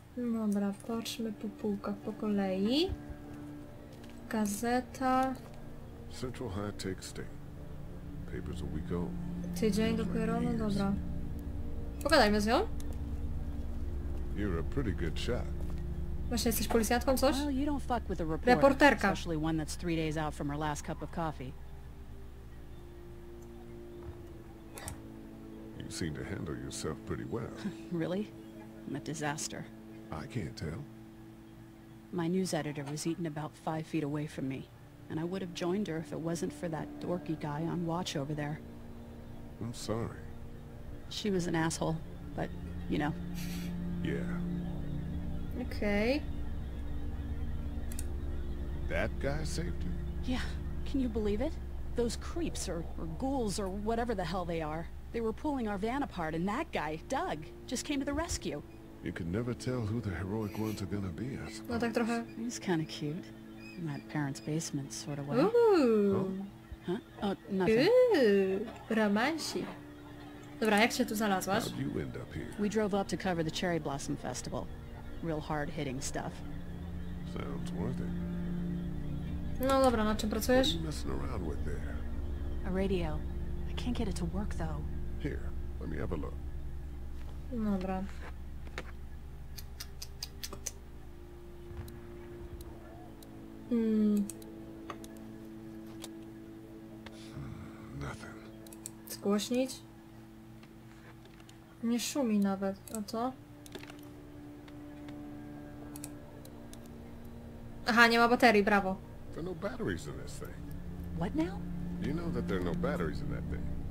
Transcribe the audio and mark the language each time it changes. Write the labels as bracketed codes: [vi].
[pl] Dobra, patrzmy po półkach po kolei. Gazeta. [en] Central High Tech State. Papers a week old. [pl] Tydzień dopiero, no dobra. Pogadajmy z nią. [en] You're a pretty good shot. [pl] Właśnie jesteś policjantką, coś? [en] Well, you don't fuck with a reporter, especially one that's 3 days out from her last cup of coffee. You seem to handle yourself pretty well. Really? I'm a disaster. I can't tell. My news editor was eaten about 5 feet away from me, and I would have joined her if it wasn't for that dorky guy on watch over there. I'm sorry. She was an asshole, but, you know. Yeah. Okay. That guy saved you? Yeah. Can you believe it? Those creeps or ghouls or whatever the hell they are. They were pulling our van apart and that guy, Doug, just came to the rescue. You can never tell who the heroic ones are gonna be, I suppose. [pl] No, tak trochę. [en] He's kinda cute. In that parents' basement sort of way. Ooh. Huh? Oh, nothing. Ooh. Romanci. [pl] Dobra, jak się tu znalazłaś? [en] How'd you end up here? We drove up to cover the Cherry Blossom Festival. Real hard-hitting stuff. Sounds worth it. [pl] No dobra, na czym pracujesz? [en] What are you messing around with there? A radio. I can't get it to work, though. Here, let me have a look. [pl] Dobra. [en] Nothing. [pl] Zgłośnić? Nie szumi nawet, a co? Aha, nie ma baterii, brawo. [en] There are no batteries in this thing. What now? You know that there are no batteries in that thing.